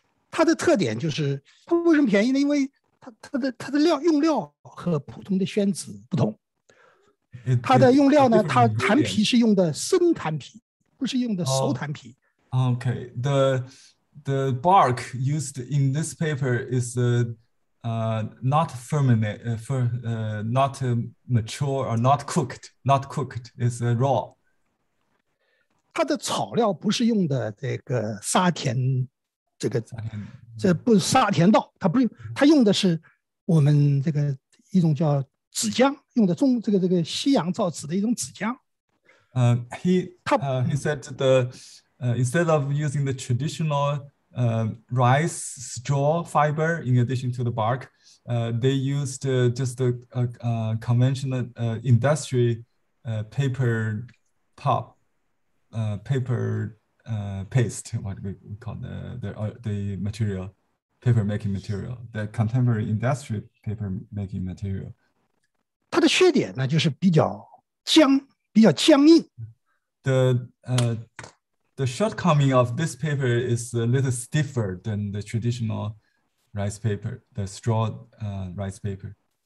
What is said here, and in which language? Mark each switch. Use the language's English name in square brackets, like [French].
[Chinese] 它的特点就是它为什么便宜呢？因为它的料用料和普通的宣纸不同。它的用料呢，它檀皮是用的生檀皮，不是用的熟檀皮。 [English] Okay, the bark used in this paper is not mature or not cooked, it's raw. [Chinese] 它的草料不是用的这个沙田，这个这不是沙田稻，它不是，它用的是我们这个一种叫纸浆，用的中这个西洋造纸的一种纸浆。 [English] He said the instead of using the traditional rice straw fiber in addition to the bark, they used just a conventional industry paper paste, what we call the material, paper making material, the contemporary industry paper making material. [Chinese] 它的缺点呢，就是比较僵硬。 [English] The shortcoming of this paper is a little stiffer than the traditional rice paper, the straw rice paper.